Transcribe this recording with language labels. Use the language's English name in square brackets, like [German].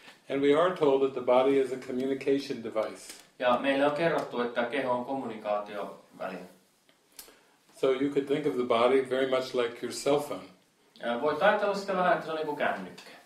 [English] And we are told that the body is a communication device. [Finnish] Ja meille on kerrottu, että keho on kommunikaatioväline. [English] So you could think of the body very much like your cell phone. [Finnish] Ja voit ajatella sitä vähän, että se on niin kuin kännykkä.